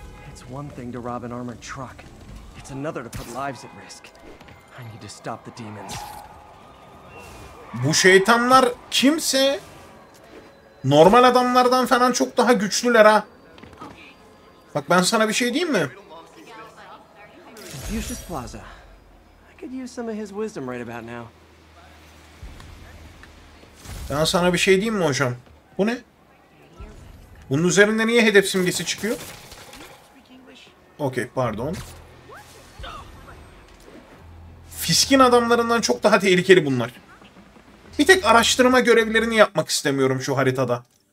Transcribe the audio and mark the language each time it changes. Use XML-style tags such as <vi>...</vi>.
<en>It's one thing to rob an armored truck. It's another to put lives at risk. I need to stop the demons.</en> <tr>Bu şeytanlar kimse? Normal adamlardan falan çok daha güçlüler ha. Bak ben sana bir şey diyeyim mi?</tr> <en>Confucius Plaza. I could use some of his wisdom right about now.</en> <tr>Ben sana bir şey diyeyim mi hocam? Bu ne? Bunun üzerinde niye hedef simgesi çıkıyor? Okey, pardon. Fiskin adamlarından çok daha tehlikeli bunlar. Bir tek araştırma görevlerini yapmak istemiyorum şu haritada.</tr>